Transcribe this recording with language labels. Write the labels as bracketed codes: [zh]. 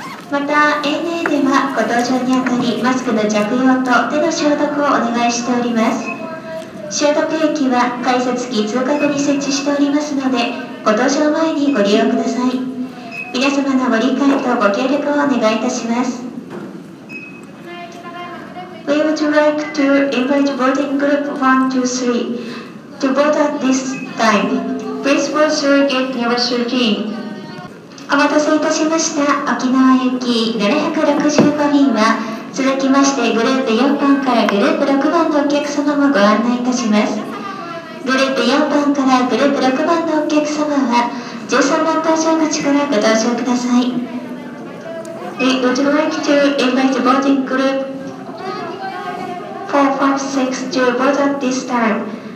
[ja] また、ANA ではご搭乗にあたり、マスクの着用と手の消毒をお願いしております。消毒液は改札機通過後に設置しておりますので、ご搭乗前にご利用ください。皆様のご理解とご協力をお願いいたします。 [en] We would like to invite boarding group 123 to board at this time. Please go through gate number 13. [ja] お待たせいたしました。沖縄行き765便は、続きましてグループ4番からグループ6番のお客様もご案内いたします。グループ4番からグループ6番のお客様は、13番搭乗口からご搭乗ください。 [en] We would like to invite boarding group 456 to board at this time.